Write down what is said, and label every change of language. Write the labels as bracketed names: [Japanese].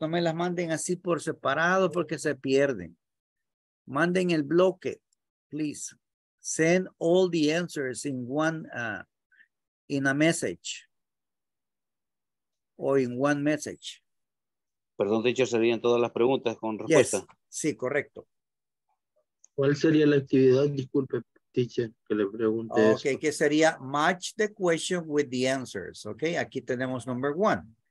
[Spanish] No me las manden así por separado porque se pierden. Manden el bloque, please. [English] Send all the answers in one, in a message. O in one message. [Spanish] Perdón, de hecho, serían todas las preguntas con respuesta. [English] Yes. [Spanish] Sí, correcto. ¿Cuál sería la actividad? Disculpe, teacher, que le pregunte [English] okay, [Spanish] eso. Ok, que sería [English] match the question with the answers. [Spanish] Ok, aquí tenemos number one.